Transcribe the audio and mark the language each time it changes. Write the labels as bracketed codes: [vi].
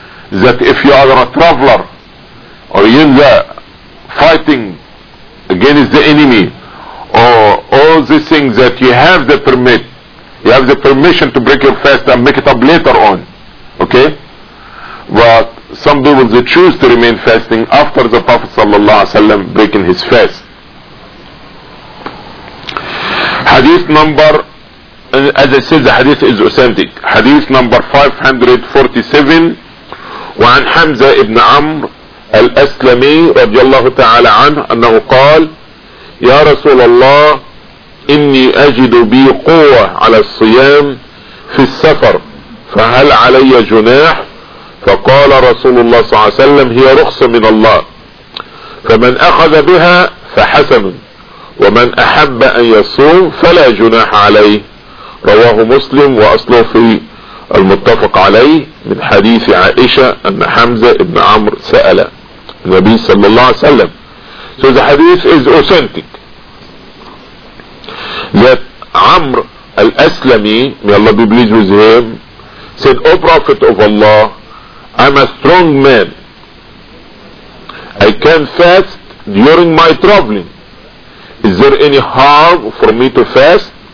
[en] That if you are a traveler or in the fighting against the enemy or all these things, that you have the permit, you have the permission to break your fast and make it up later on. Okay? But some people, they choose to remain fasting after the Prophet sallallahu alaihi wasallam breaking his fast. Hadith number, as I said, the hadith is authentic. Hadith number 547, [ar] وعن حمزة ابن عمر الأسلمي رضي الله تعالى عنه أنه قال يا رسول الله إني أجد بي قوة على الصيام في السفر فهل علي جناح؟ فقال رسول الله صلى الله عليه وسلم هي رخصة من الله، فمن أخذ بها فحسن، ومن أحب أن يصوم فلا جناح عليه. رواه مسلم وأصله في المتفق عليه من حديث عائشة أن حمزة بن عمرو سأل النبي صلى الله عليه وسلم. [en] So the hadith is authentic that Amr al-Aslami, may Allah be pleased with him, said, O Prophet of Allah, I'm a strong man. I can fast during my traveling. Is there any harm for me to fast?